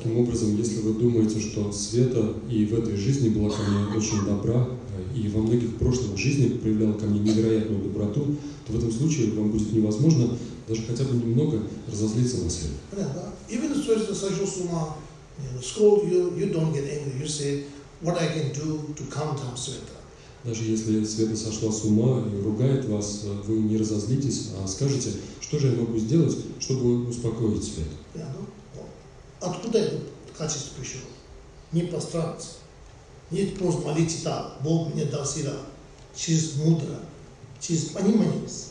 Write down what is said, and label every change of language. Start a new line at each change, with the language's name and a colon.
Russian: Таким образом, если вы думаете, что Света и в этой жизни была ко мне очень добра, и во многих прошлых жизнях проявляла ко мне невероятную доброту, то в этом случае вам будет невозможно даже хотя бы немного разозлиться на Свету.
English: Even if Sveta
Russian: sashu suma,
English: scold you, you don't get angry. You say, what I can do to calm down Sveta.
Russian: Даже если Света сошла с ума и ругает вас, вы не разозлитесь, а скажете, что же я могу сделать, чтобы успокоить Свету. Откуда это качество пришло? Не постараться. Нет, просто молитесь так, Бог мне дал сила, через мудро, через понимание.